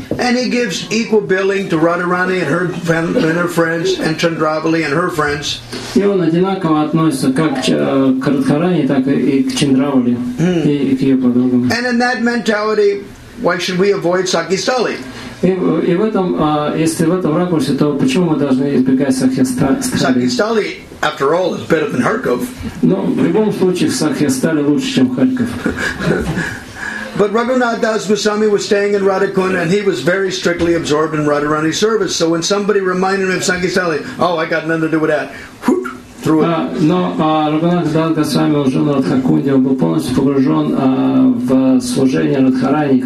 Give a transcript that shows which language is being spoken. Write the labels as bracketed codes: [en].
[en] And he gives equal billing to Radharani and her friends and Chandravali and her friends. [ru] И он одинаково относится как к Радхарани, так и к Чандравали и к ее подругам. [en] And in that mentality, why should we avoid Sakhistali? [ru] И в этом, если в этом ракурсе, то почему мы должны избегать Сакхистали? [en] After all, it's better than Kharkov. [ru] Но в любом случае Сакхистали лучше, чем Харьков. [en] But Raghunath Das Goswami was staying in Radhakunda, and he was very strictly absorbed in Radharani's service. So when somebody reminded him of Sakhistali, oh, I got nothing to do with that. [ru] Но Рагунатх Дас Госвами уже на Радхакунде, он был полностью погружен в служение Радхарани.